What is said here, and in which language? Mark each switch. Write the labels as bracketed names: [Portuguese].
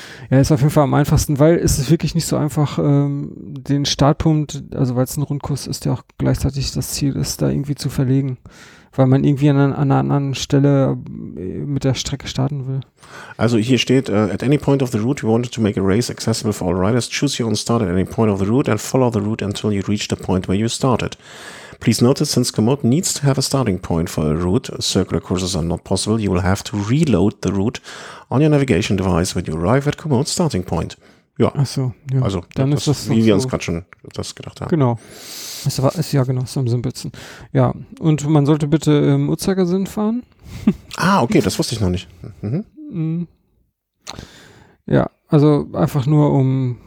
[German] Ja, ist auf jeden Fall am einfachsten, weil es ist wirklich nicht so einfach, den Startpunkt, also weil es ein Rundkurs ist, der auch gleichzeitig das Ziel ist, da irgendwie zu verlegen. Weil man irgendwie an einer anderen Stelle mit der Strecke starten will. Also hier steht, [English] at any point of the route, we wanted to make a race accessible for all riders. Choose your own start at any point of the route and follow the route until you reach the point where you started. Please notice, since Komoot needs to have a starting point for a route, circular courses are not possible. You will have to reload the route on your navigation device when you arrive at Komoot's starting point. [German] Ja. Ach so, ja. Also, dann das, ist das wie wir uns gerade schon das gedacht haben. Genau. Es war, ist ja genau, ist am simpelsten. Ja, und man sollte bitte im Uhrzeigersinn fahren. Ah, okay, das wusste ich noch nicht. Ja, also einfach nur um